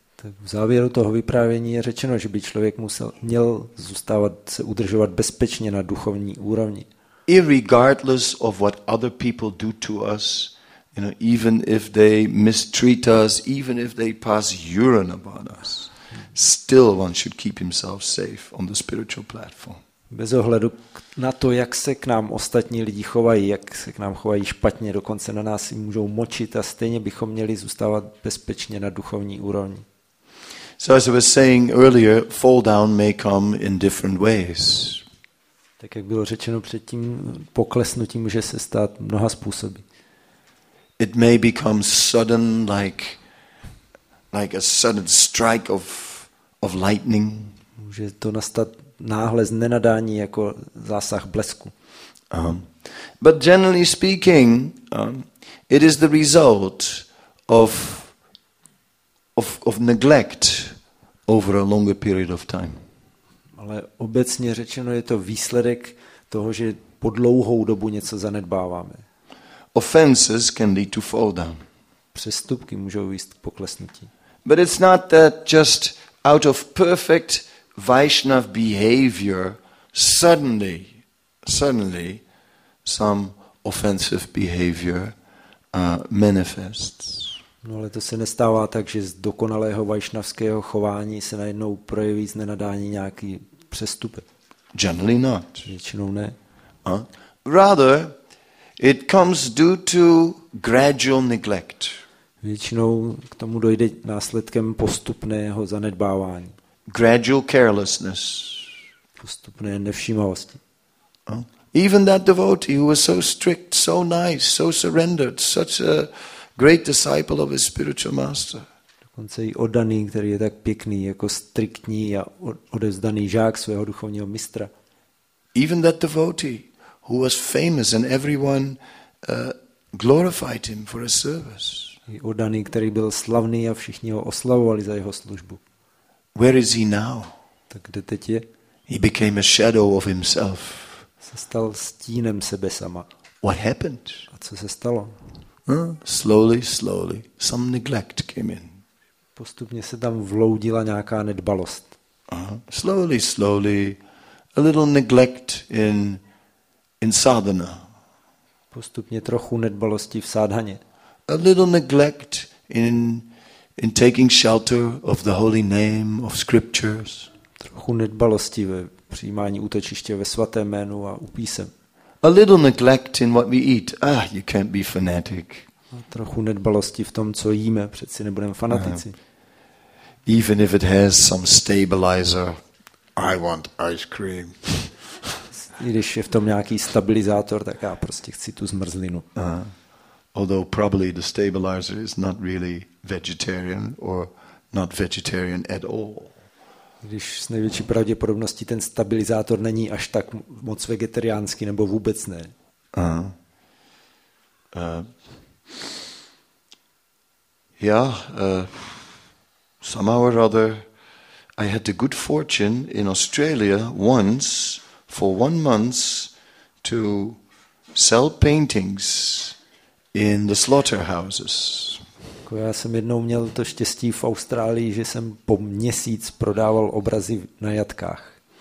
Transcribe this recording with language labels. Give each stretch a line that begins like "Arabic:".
Czech: Tak v závěru toho vyprávění je řečeno, že by člověk měl zůstávat se udržovat bezpečně na duchovní úrovni.
English: Irregardless of what other people do to us, you know, even if they mistreat us, even if they pass urine upon us, still one should keep himself safe on the spiritual platform.
Czech: Bez ohledu na to, jak se k nám ostatní lidi chovají, jak se k nám chovají špatně, dokonce na nás si můžou močit a stejně bychom měli zůstávat bezpečně na duchovní úrovni.
English: So as I was saying earlier, fall down may come in different ways.
Czech: Tak jak bylo řečeno předtím, poklesnutí může se stát mnoha způsoby.
English: It may become sudden, like a sudden strike of lightning.
Czech: Může to nastat náhle z nenadání jako zásah blesku.
English: But generally speaking, it is the result of neglect over a longer period of time.
Czech: Ale obecně řečeno je to výsledek toho, že po dlouhou dobu něco zanedbáváme.
English: Offenses can lead to fall down.
Czech: Přestupky můžou vést k poklesnutí.
English: But it's not that just out of perfect Vaishnav behavior suddenly some offensive behavior manifests.
Czech: No, ale to se nestává tak, že z dokonalého vaishnavského chování se najednou projeví z nenadání nějaký přestupek.
English: Generally not.
Czech: Většinou ne.
English: Rather it comes due to gradual neglect.
Czech: Většinou k tomu dojde následkem postupného zanedbávání.
English: gradual carelessness.
Czech: Postupné nevšímavosti.
English: Even that devotee who was so strict, so nice, so surrendered, such a great disciple of his spiritual master.
Czech: Dokonce i oddaný, který je tak pěkný, jako striktní a odevzdaný žák svého duchovního mistra.
English: Even that devotee who was famous and everyone glorified him for his service.
Czech: I oddaný, který byl slavný a všichni ho oslavovali za jeho službu.
English: Where is he now?
Czech: Tak kde teď je?
English: He became a shadow of himself.
Czech: Se stal stínem sebe sama.
English: What happened?
Czech: A co se stalo?
English: Slowly, some neglect came in.
Czech: Postupně se tam vloudila nějaká nedbalost.
English: Slowly, a little neglect in sadhana.
Czech: Postupně trochu nedbalosti v sádhaně.
English: A little neglect in taking shelter of the holy name of scriptures.
Czech: Trochu nedbalosti ve přijímání útočiště ve svatém jménu a u písem.
English: A little neglect in what we eat. Ah, you can't be fanatic.
Czech: A trochu nedbalosti v tom, co jíme, přeci nebudeme fanatici.
English: Even if it has some stabilizer, I want ice cream.
Czech: I když je v tom nějaký stabilizátor, tak já prostě chci tu zmrzlinu.
English: Although probably the stabilizer is not really vegetarian or not vegetarian at all.
Czech: Když s největší pravděpodobností ten stabilizátor není až tak moc vegetariánský nebo vůbec ne.
English: Somehow or other, I had the good fortune in Australia once for 1 month to sell paintings in the slaughterhouses.
Czech: Já jsem jednou měl to štěstí v Austrálii, že jsem po měsíc prodával obrazy na jatkách.